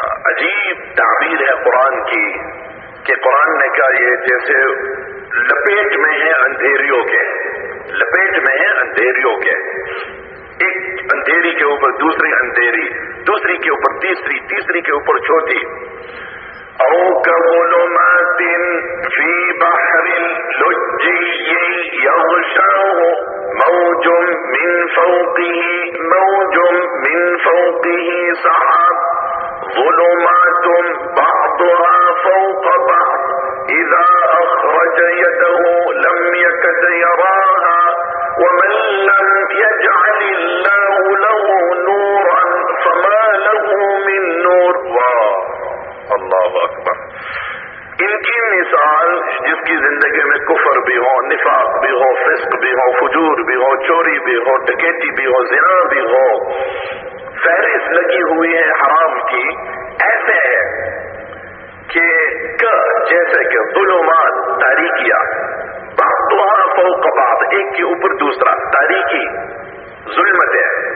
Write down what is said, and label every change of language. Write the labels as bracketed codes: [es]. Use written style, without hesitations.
[ur] عجیب تعبیر ہے قرآن کی کہ قرآن نے کہا یہ جیسے لپیٹ میں ہے اندھیریوں کے، لپیٹ میں ہے اندھیریوں کے، ایک اندھیری کے اوپر دوسری اندھیری، دوسری کے اوپر تیسری، تیسری کے اوپر چوتھی. [ar] او کظلمات فی بحر لجی یغشاہ موج من فوقہ سحاب ظلمات بعضها فوق بعض اذا اخرج یده لم یکد یراها ومن لم یجعل اللہ له نورا فما له من نور. اللہ اکبر. [ur] ان کی مثال جس کی زندگی میں کفر بھی ہو، نفاق بھی ہو، فسق بھی ہو، فجور بھی ہو، چوری بھی ہو، ڈکیتی بھی ہو، زنا بھی ہو، فہرست لگی ہوئی ہے حرام کی، ایسے ہے کہ جیسے کہ ظلمات تاریکیا، [ar] بعضها فوق بعض، [ur] ایک کے اوپر دوسرا، تاریکی ظلمت ہے.